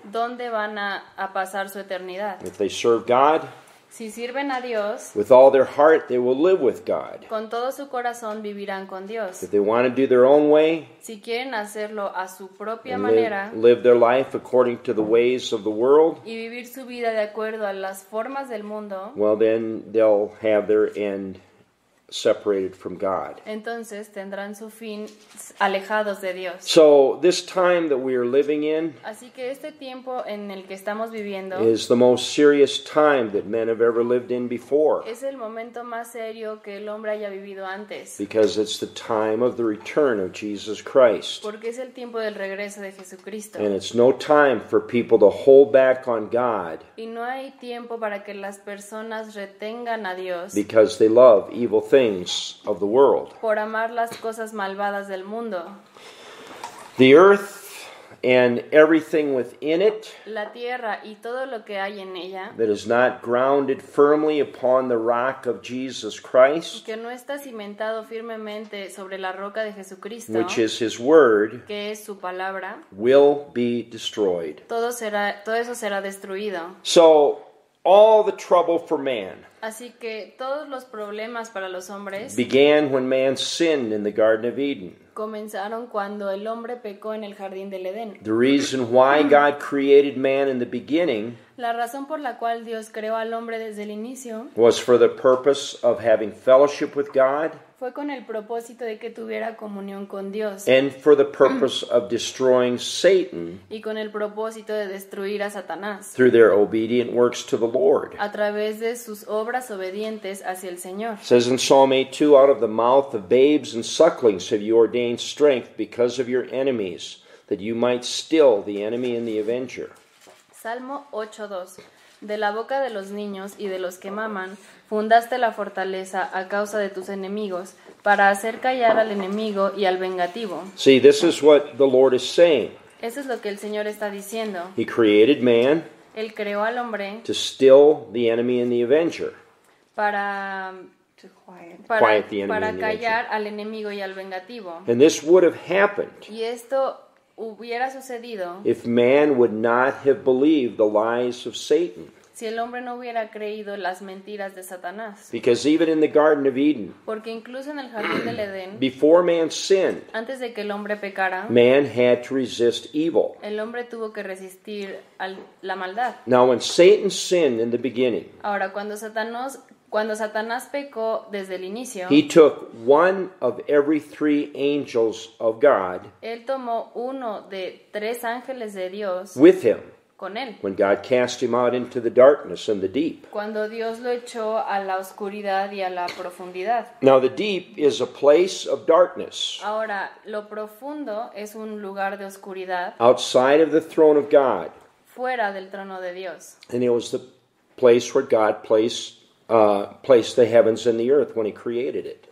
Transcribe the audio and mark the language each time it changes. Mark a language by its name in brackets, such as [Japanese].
[Spanish] Dónde van a pasar su eternidad. [English] If they serve God. [Spanish] Si sirven a Dios, [English] with all their heart, they will live with God. [Spanish] Con todo su corazón, vivirán con Dios. [English] If they want to do their own way, [Spanish] si quieren hacerlo a su propia [English] and [Spanish] manera, [English] live their life according to the ways of the world, [Spanish] y vivir su vida de acuerdo a las formas del mundo, [English] well, then they'll have their end separated from God. [Spanish] Entonces, tendrán su fin alejados de Dios. [English] So, this time that we are living in, [Spanish] así que este tiempo en el que estamos viviendo, [English] is the most serious time that men have ever lived in before. [Spanish] Es el momento más serio que el hombre haya vivido antes. [English] Because it's the time of the return of Jesus Christ. [Spanish] Porque es el tiempo del regreso de Jesucristo. [English] And it's no time for people to hold back on God. [Spanish] Y no hay tiempo para que las personas retengan a Dios. [English] Because they love evil things of the world. [Spanish] Por amar las cosas malvadas del mundo. [English] The earth and everything within it. [Spanish] La tierra y todo lo que hay en ella. [English] That is not grounded firmly upon the rock of Jesus Christ. [Spanish] Que no está cimentado firmemente sobre la roca de Jesucristo. [English] Which is his word. [Spanish] Que es su palabra. [English] Will be destroyed. [Spanish] Todo eso será destruido. [English] So all the trouble for man. [Spanish] Así que todos los problemas para los hombres [English] began when man sinned in the Garden of Eden. [Spanish] Comenzaron cuando el hombre pecó en el jardín del Edén. [English] The reason why God created man in the beginning. [Spanish] La razón por la cual Dios creó al hombre desde el inicio [English] was for the purpose of having fellowship with God. [Spanish] Fue con el propósito de que tuviera comunión con Dios. [English] And for the purpose of destroying Satan. [Spanish] Y con el propósito de destruir a Satanás. [English] Through their obedient works to the Lord. [Spanish] A través de sus obras obedientes hacia el Señor. [English] It says in Psalm 8:2, out of the mouth of babes and sucklings have you ordained strength because of your enemies, that you might still the enemy and the avenger. [Spanish] Salmo 8:2. De la boca de los niños y de los que maman, fundaste la fortaleza a causa de tus enemigos para hacer callar al enemigo y al vengativo. [English] See, this is what the Lord is saying. [Spanish] Eso es lo que el Señor está diciendo. [English] He created man. [Spanish] Él creó al hombre. [English] To still the enemy and the avenger. [Spanish] Para [English] quiet the enemy [Spanish] para callar al enemigo y al vengativo. [English] And this would have happened. [Spanish] Y esto hubiera sucedido [English] if man would not have believed the lies of Satan. [Spanish] Si el hombre no hubiera creído las mentiras de Satanás. [English] Because even in the Garden of Eden, [Spanish] porque incluso en el jardín del Edén, [English] before man sinned, [Spanish] antes de que el hombre pecara, [English] man had to resist evil. [Spanish] El hombre tuvo que resistir la maldad. [English] Now when Satan sinned in the beginning, [Spanish] ahora cuando Satanás pecó desde el inicio, [English] he took one of every three angels of God. [Spanish] Él tomó uno de tres ángeles de Dios [English] with him. [Spanish] con él. [English] When God cast him out into the darkness and the deep. [Spanish] Cuando Dios lo echó a la oscuridad y a la profundidad. [English] Now the deep is a place of darkness. [Spanish] Ahora, lo profundo es un lugar de oscuridad. [English] Outside of the throne of God. [Spanish] Fuera del trono de Dios. [English] And it was the place where God placed the heavens and the earth when he created it.